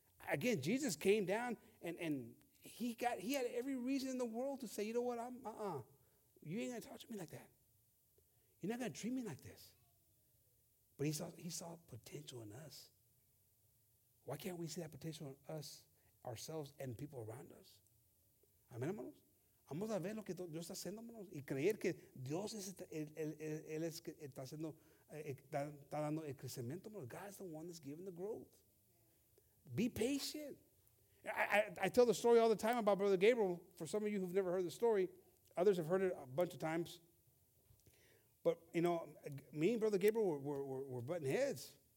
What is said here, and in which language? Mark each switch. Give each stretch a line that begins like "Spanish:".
English: Again, Jesus came down and he had every reason in the world to say, you know what, you ain't gonna talk to me like that. You're not gonna treat me like this. But he saw potential in us. Why can't we see that potential in us, ourselves, and people around us?
Spanish: Amén, hermanos. Vamos a ver lo que Dios está haciendo, hermanos, y creer que Dios es el es que está haciendo está dando el crecimiento, hermanos.
English: God is the one that's giving the growth. Be patient. I tell the story all the time about Brother Gabriel. For some of you who've never heard the story, others have heard it a bunch of times. But, you know, me and Brother Gabriel were butting heads.